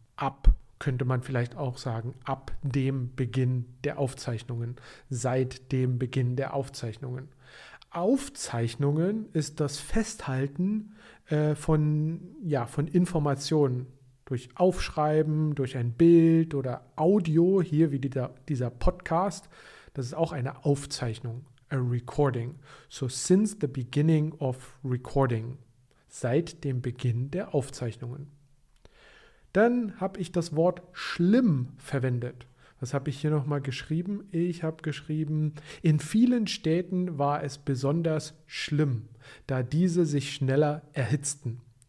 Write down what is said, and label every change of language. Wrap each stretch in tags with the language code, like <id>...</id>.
<de>Ab könnte man vielleicht auch sagen, ab dem Beginn der Aufzeichnungen, seit dem Beginn der Aufzeichnungen. Aufzeichnungen ist das Festhalten von Informationen durch Aufschreiben, durch ein Bild oder Audio, hier wie dieser Podcast. Das ist auch eine Aufzeichnung.</de> <en>A recording. So since the beginning of recording.</en> <de>Seit dem Beginn der Aufzeichnungen. Dann habe ich das Wort schlimm verwendet. Was habe ich hier nochmal geschrieben? Ich habe geschrieben, in vielen Städten war es besonders schlimm, da diese sich schneller erhitzten.</de>